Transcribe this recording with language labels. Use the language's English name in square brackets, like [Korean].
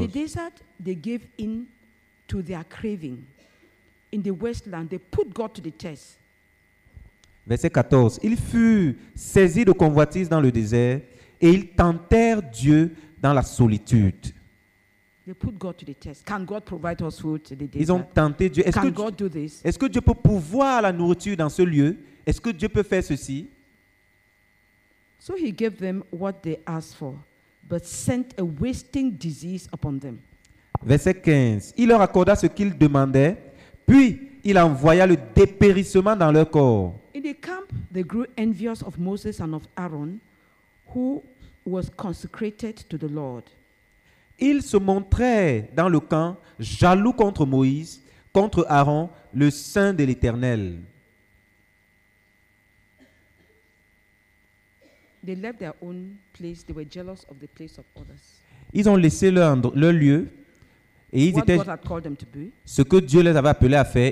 [English] In the desert, they gave in to their craving. In the wasteland, they put God to the test. [French] Verset 14. Ils furent saisis de convoitise dans le désert et ils tentèrent Dieu dans la solitude. [English] They put God to the test. Can God provide us food in the desert? [French] Ils ont tenté Dieu. [English] Can God do this? [French] Est-ce que Dieu peut pourvoir la nourriture dans ce lieu? Est-ce que Dieu peut faire ceci? [English] So he gave them what they asked for, but sent a wasting disease upon them. [French] Verset 15. Il leur accorda ce qu'ils demandaient. Puis, il envoya le dépérissement dans leur corps. [English] In the camp, they grew envious of Moses and of Aaron, who was consecrated to the Lord. [French] Ils se montraient dans le camp, jaloux contre Moïse, contre Aaron, le saint de l'Éternel. [English] They left their own place. They were jealous of the place of others. [French] Ils ont laissé leur lieu. Et ils étaient ce que Dieu les avait appelés à faire.